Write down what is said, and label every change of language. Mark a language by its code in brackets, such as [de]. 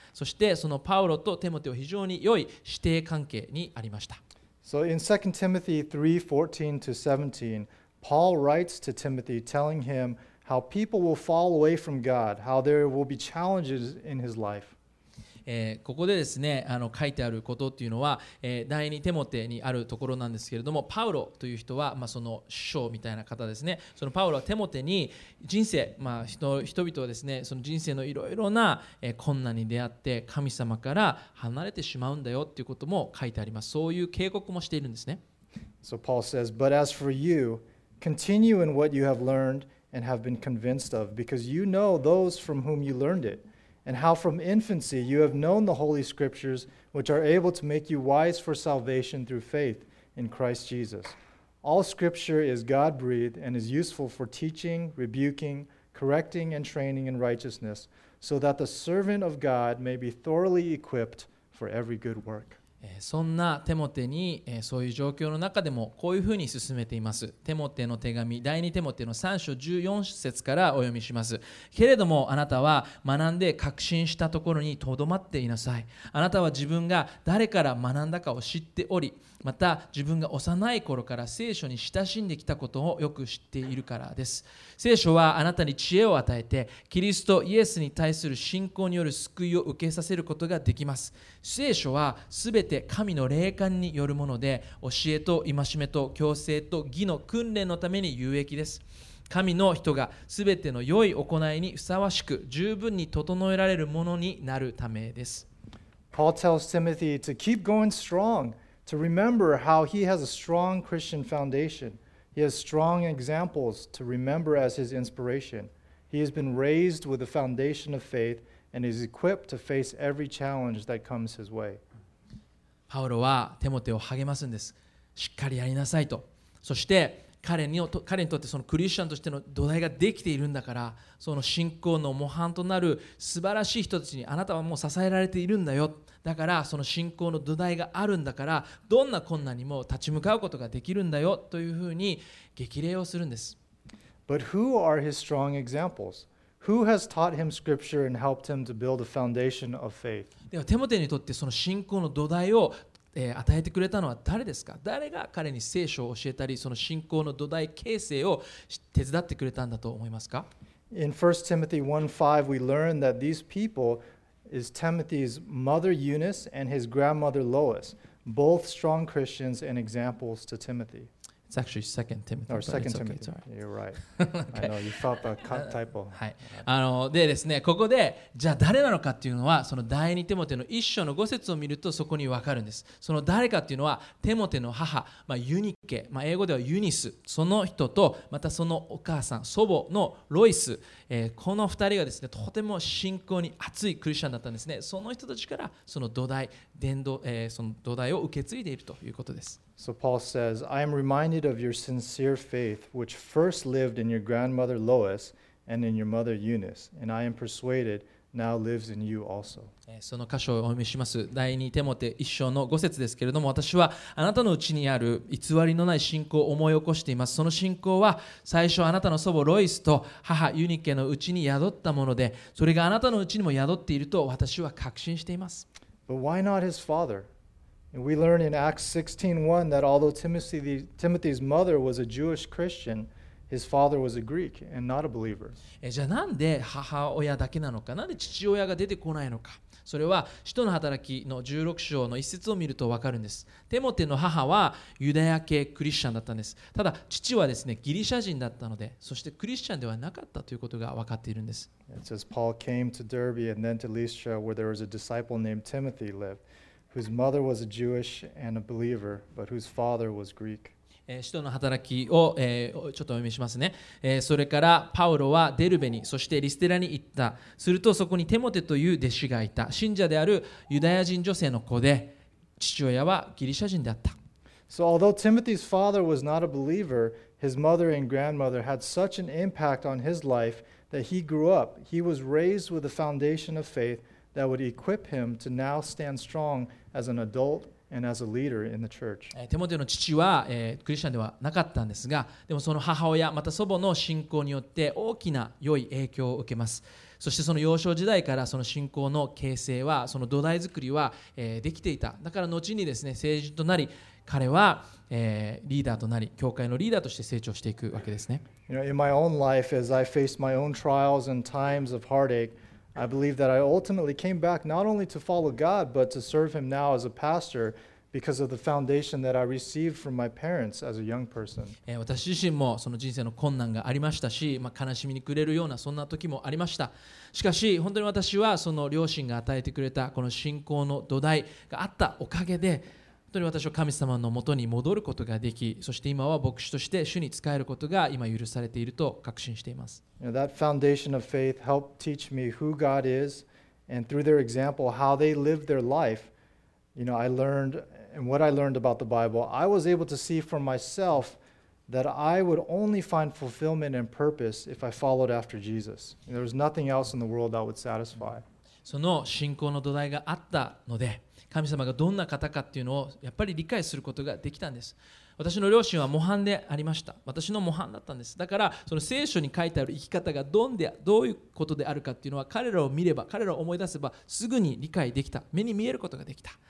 [ja] そしてそのパウロとテモテは非常に良い師弟関係にありました。 [en] So in 2 Timothy 3:14 to 17, Paul writes to Timothy telling him how people will fall away from God, how there will be challenges in his life. [ja] ここでですね、書いてあることっていうのは、第二テモテにあるところなんですけれども、パウロという人は、その師匠みたいな方ですね。そのパウロはテモテに人生、人々はですね、その人生のいろいろな、困難に出会って神様から離れてしまうんだよっていうことも書いてあります。そういう警告もしているんですね。 [en] So Paul says, but as for you, continue in what you have learned and have been convinced of, because you know those from whom you learned it. And how from infancy you have known the holy scriptures, which are able to make you wise for salvation through faith in Christ Jesus. All scripture is God-breathed and is useful for teaching, rebuking, correcting, and training in righteousness, so that the servant of God may be thoroughly equipped for every good work. [ja] そんなテモテにそういう状況の中でもこういうふうに進めています。テモテの手紙第二テモテの3章14節からお読みします。けれどもあなたは学んで確信したところにとどまっていなさい。あなたは自分が誰から学んだかを知っており、また自分が幼い頃から聖書に親しんできたことをよく知っているからです。聖書はあなたに知恵を与えて、キリストイエスに対する信仰による救いを受けさせることができます。聖書はすべて神の霊感によるもので、教えと戒めと教制と義の訓練のために有益です。神の人がすべての良い行いにふさわしく十分に整えられるものになるためです。 [en] Paul tells Timothy to keep going strongTo remember how he has a strong Christian foundation. He has strong examples to remember as his inspiration. He has been raised with the foundation of faith and is equipped to face every challenge that comes his way. [ja] パウロはテモテを励ますんです。しっかりやりなさいと。そして彼にとってそのクリスチャンとしての土台ができているんだから、その信仰の模範となる素晴らしい人たちにあなたはもう支えられているんだよ。だからその信仰の土台があるんだから、どんな困難にも立ち向かうことができるんだよというふうに激励をするんです。 [en] But who are his strong examples? Who has taught him scripture and helped him to build a foundation of faith? [ja] ではテモテにとってその信仰の土台を与えてくれたのは誰ですか？誰が彼に聖書を教えたり、その信仰の土台形成を手伝ってくれたんだと思いますか？ [en] In 1 Timothy 1:5, we learn that these people is Timothy's mother Eunice and his grandmother Lois, both strong Christians and examples to Timothy. It's actually 2 Timothy. Or 2 Timothy. Okay, sorry. You're right. I know you felt the typo. [ja] はい。でですね、ここでじゃあ誰なのかっていうのは、その第二テモテの一章の五節を見るとそこにわかるんです。その誰かっていうのはテモテの母、ユニケ、英語ではユニス、その人とまたそのお母さん、祖母のロイス、この二人がですね、とても信仰に熱いクリスチャンだったんですね。その人たちからその土台、伝道、その土台を受け継いでいるということです。 [en] So Paul says, I am reminded of your sincere faith, which first lived in your grandmother Lois and in your mother Eunice, and I am persuaded now lives in you also. [ja] その箇所をお読みします。第二テモテ一章の五節ですけれども、私はあなたのうちにある偽りのない信仰を思い起こしています。その信仰は最初あなたの祖母ロイスと母ユニケのうちに宿ったもので、それがあなたのうちにも宿っていると私は確信しています。 [en] But why not his father? We learn in Acts 16:1 that although Timothy's mother was a Jewish Christian, his father was a Greek and not a believer. [ja] じゃあなんで母親だけなのか、なんで父親が出てこないのか。それは使徒の働きの16章の一節を見ると分かるんです。テモテの母はユダヤ系クリスチャンだったんです。ただ父はですねギリシャ人だったので、そしてクリスチャンではなかったということが分かっているんです。 [en] It says Paul came to Derbe and then to Lystra where there was a disciple named Timothy lived, whose mother was a Jewish and a believer, but whose father was Greek. [ja] 使徒の働きを、ちょっとお読みしますね、それからパウロはデルベに、そしてリステラに行った。するとそこにテモテという弟子がいた。信者であるユダヤ人女性の子で、父親はギリシャ人であった。 [en] So although Timothy's father was not a believer, his mother and grandmother had such an impact on his life that he grew up. He was raised with a foundation of faith that would equip him to now stand strong as an adult. And as a leader in the church. [ja] テモテの父は、クリスチャンではなかったんですが、でもその母親また祖母の信仰によって大きな良い影響を受けます。そしてその幼少時代からその信仰の形成は、その土台作りは、できていた。だから後にですね、成人となり、彼は、リーダーとなり、教会のリーダーとして成長していくわけですね。 [en] You know, in my own life, as I faced my own trials and times of heartache,I believe that I ultimately came back not only to follow God, but to serve Him now as a pastor because of the foundation that I received from my parents as a young person. [ja] 私自身もその人生の困難がありましたし、まあ、悲しみに暮れるようなそんな時もありました。しかし本当に私はその両親が与えてくれたこの信仰の土台があったおかげで、本当に私は神様のもとに戻ることができ、そして今は牧師として主に仕えることが今許されていると確信しています。 [en] You know, that foundation of faith helped teach me who God is, and through their example, how they lived their life, you know, I learned, and what I learned about the Bible, I was able to see for myself that I would only find fulfillment and purpose if I followed after Jesus. And there was nothing else in the world that would satisfy. [ja] その信仰の土台があったので、神様がどんな方かっていうのをやっぱり理解することができたんです。私の両親は模範でありました。私の模範だったんです。だからその聖書に書いてある生き方がどういうことであるかっていうのは彼らを見れば、彼らを思い出せばすぐに理解できた。目に見えることができた。